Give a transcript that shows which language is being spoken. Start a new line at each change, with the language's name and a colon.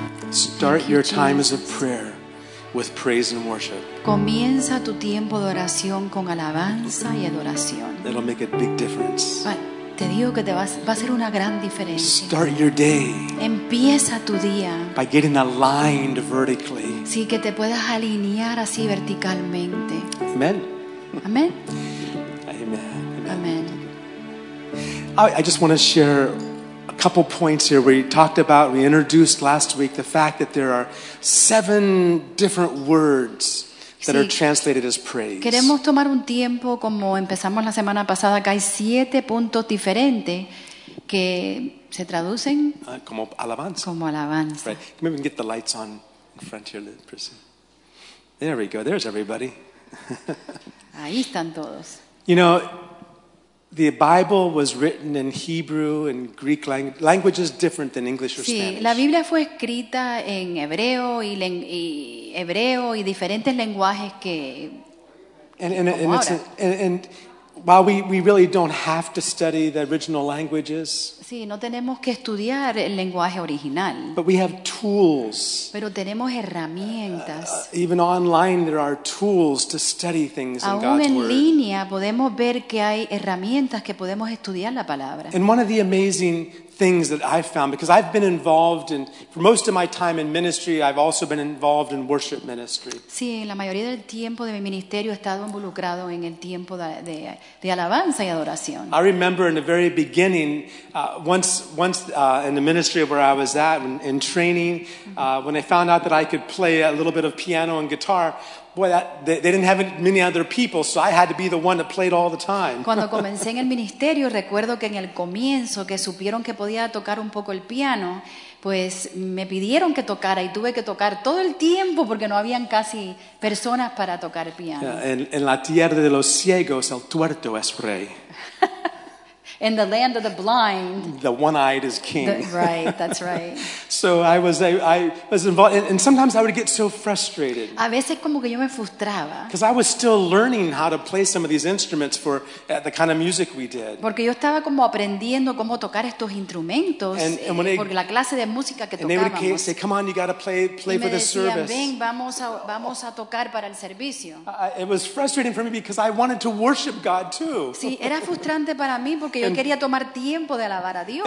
English: Start your time as a prayer with praise and worship.
Spanish: Comienza tu tiempo de oración con alabanza y adoración.
English: It'll make a big difference.
Spanish: Te digo que te va a ser una gran diferencia.
English: Start your day.
Spanish: Empieza tu día.
English: By getting aligned vertically.
Spanish: Sí, que te puedas alinear así verticalmente.
English: Amen.
Spanish: Amen.
English: Amen.
Spanish: Amen.
English: I just want to share a couple points here. We talked about, we introduced last week the fact that there are 7 different words that are translated as praise.
Spanish: Queremos tomar un tiempo como empezamos la semana pasada, que hay 7 puntos diferentes que se traducen como alabanza. Como alabanza.
English: Right. Maybe we can get the lights on in front here, person. There we go. There's everybody.
Spanish: Ahí están todos.
English: You know, the Bible was written in Hebrew and Greek languages different than English or Spanish.
Spanish: Sí, la Biblia fue escrita en hebreo y hebreo y diferentes lenguajes que
English: While we really don't have to study the original languages.
Spanish: Sí, no tenemos que estudiar el lenguaje original.
English: But we have tools.
Spanish: Pero tenemos herramientas.
English: Even online there are tools to study things in God's word.
Spanish: Aún en línea podemos ver que hay herramientas que podemos estudiar la palabra.
English: And one of the amazing things that I've found, because I've been involved in, for most of my time in ministry, I've also been involved in worship ministry.
Spanish: Sí, en la mayoría del tiempo de mi ministerio he estado involucrado en el tiempo de alabanza y adoración.
English: I remember in the very beginning, once in the ministry where I was at, in training, when they found out that I could play a little bit of piano and guitar, boy, they didn't have many other people, so I had to be the one that played all the time.
Spanish: Cuando comencé en el ministerio, recuerdo que en el comienzo, que supieron que podía tocar un poco el piano, pues me pidieron que tocara y tuve que tocar todo el tiempo porque no habían casi personas para tocar el piano. Yeah, en la tierra de los ciegos, el tuerto es rey.
English: In the land of the blind, the one-eyed is king. Right, that's right. So I was involved, and sometimes I would get so frustrated.
Spanish: A veces como que yo me frustraba.
English: Because I was still learning how to play some of these instruments for the kind of music we did.
Spanish: Porque yo estaba como aprendiendo cómo tocar estos instrumentos por la clase de música que tocábamos.
English: And they would say, "Come on, you got to play for the service."
Spanish: Y me decían, "Ven, vamos a tocar para el servicio."
English: It was frustrating for me because I wanted to worship God too.
Spanish: Sí, era frustrante para mí porque yo quería tomar tiempo de alabar a Dios.